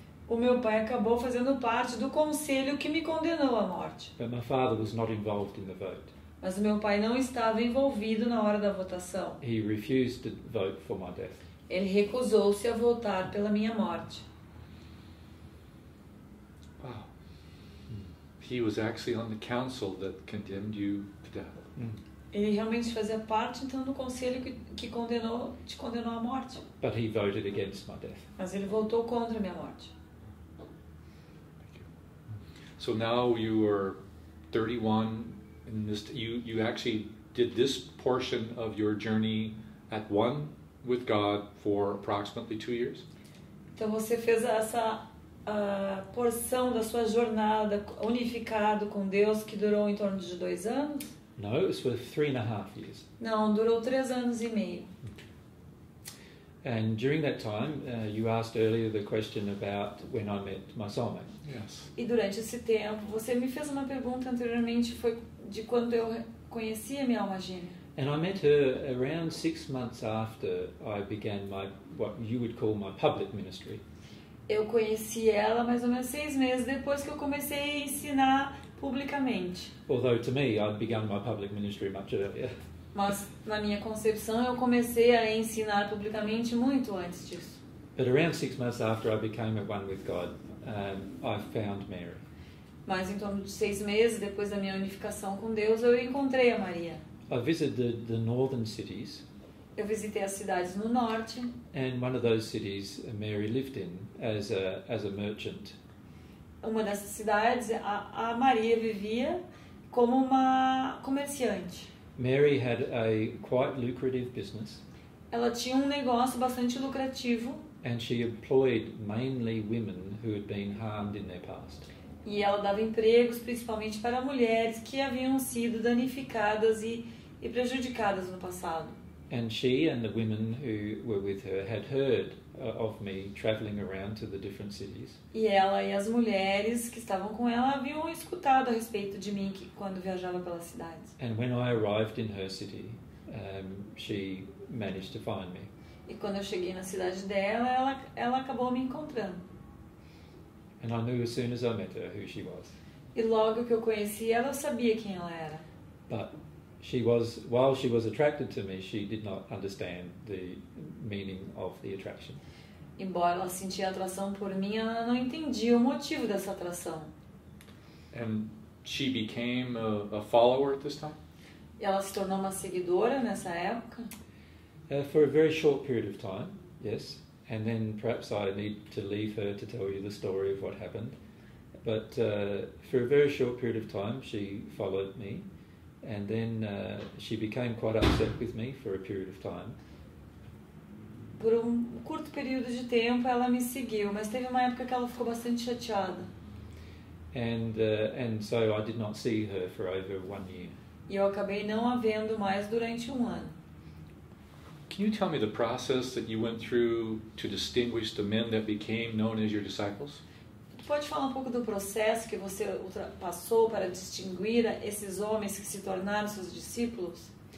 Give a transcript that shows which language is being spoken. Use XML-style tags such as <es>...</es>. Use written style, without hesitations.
<pt>O meu pai acabou fazendo parte do conselho que me condenou à morte.</pt> <en>But my father was not involved in the vote.</en> <pt>Mas o meu pai não estava envolvido na hora da votação.</pt> <en>He refused to vote for my death.</en> <pt>Ele recusou-se a votar pela minha morte.</pt> <en>Wow. He was actually on the council that condemned you to death.</en> <pt>Ele realmente fazia parte então do conselho que te condenou à morte.</pt> <en>But he voted against my death.</en> <pt>Mas ele votou contra a minha morte.</pt> <en>So now you are 31 in this you actually did this portion of your journey at one with God for approximately 2 years.</en> <pt>Então você fez essa porção da sua jornada unificado com Deus que durou em torno de 2 anos.</pt> <en>No, it was for 3.5 years.</en> <pt>Não, durou 3 anos e meio.</pt> <en>And during that time, you asked earlier the question about when I met my soulmate. Yes.</en> <pt>E durante esse tempo, você me fez uma pergunta anteriormente, foi de quando eu conheci a minha alma gêmea.</pt> <en>And I met her around 6 months after I began my, what you would call my public ministry.</en> <pt>Eu conheci ela mais ou menos 6 meses depois que eu comecei a ensinar publicamente.</pt> <en>Although to me, I'd begun my public ministry much earlier.</en> <pt>Mas na minha concepção, eu comecei a ensinar publicamente muito antes disso.</pt> <en>But around 6 months after I became at one with God, I found Mary.</en> <pt>Mas em torno de 6 meses depois da minha unificação com Deus, eu encontrei a Maria.</pt> <en>I visited the northern cities.</en> <pt>Eu visitei as cidades no norte.</pt> <en>And one of those cities Mary lived in as a merchant.</en> <pt>Uma dessas cidades a Maria vivia como uma comerciante.</pt> <en>Mary had a quite lucrative business.</en> <pt>Ela tinha um negócio bastante lucrativo.</pt> <en>And she employed mainly women who had been harmed in their past.</en> <pt>E ela dava empregos principalmente para mulheres que haviam sido danificadas e prejudicadas no passado.</pt> <en>And she and the women who were with her had heard of me traveling around to the different cities.</en> <pt>E ela e as mulheres que estavam com ela haviam escutado a respeito de mim que, quando viajava pelas cidades.</pt> <en>And when I arrived in her city, she managed to find me.</en> <pt>E quando eu cheguei na cidade dela, ela acabou me encontrando.</pt> <en>And I knew as soon as I met her who she was.</en> <pt>E logo que eu conheci ela, eu sabia quem ela era.</pt> <en>But she was, while she was attracted to me, she did not understand the meaning of the attraction.</en> <pt>Embora ela sentia atração por mim, ela não entendia o motivo dessa atração.</pt> <en>And she became a follower at this time?</en> <pt>E ela se tornou uma seguidora nessa época?</pt> <en>For a very short period of time, yes. And then perhaps I need to leave her to tell you the story of what happened. But for a very short period of time, she followed me. And then she became quite upset with me for a period of time.</en> <pt>Por um curto período de tempo, ela me seguiu, mas teve uma época que ela ficou bastante chateada.</pt> <en>And so I did not see her for over 1 year.</en> <pt>E eu acabei não a vendo mais durante 1 ano.</pt> <en>Can you tell me the process that you went through to distinguish the men that became known as your disciples?</en> <pt>Pode falar um pouco do processo que você passou para distinguir esses homens que se tornaram seus discípulos?</pt>